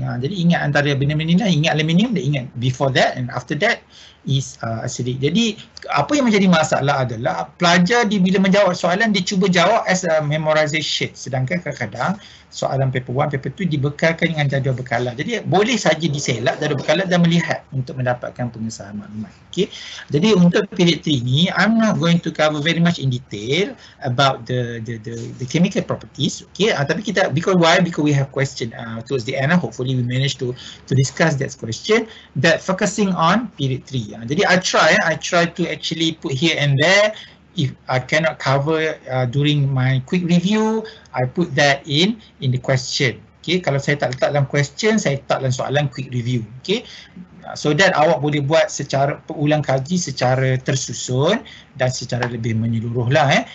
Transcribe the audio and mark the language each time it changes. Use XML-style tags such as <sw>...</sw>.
<ms>Ha, jadi ingat antara benda-benda ni, ingat aluminium, dia ingat</ms> <en>before that and after that is acidic.</en> <ms>Jadi apa yang menjadi masalah adalah pelajar di bila menjawab soalan, dia cuba jawab</ms> <en>as a memorization.</en> <ms>Sedangkan kadang-kadang soalan paper 1, paper 2 dibekalkan dengan jadual bekalan. Jadi boleh saja diselak jadual bekalan dan melihat untuk mendapatkan pengesahan maklumat. Okay. Jadi untuk period 3 ni,</ms> <en>I'm not going to cover very much in detail about the chemical properties. Okay.</en> <ms>Tapi kita,</ms> <en>because why? Because we have question towards the end. Hopefully we manage to discuss that question that focusing on period 3. Jadi I try to actually put here and there. If I cannot cover during my quick review, I put that in the question.</en> <ms>Okay, kalau saya tak letak dalam question, saya letak dalam soalan quick review. Okay, so that awak boleh buat secara ulang kaji secara tersusun dan secara lebih menyeluruh lah.</ms>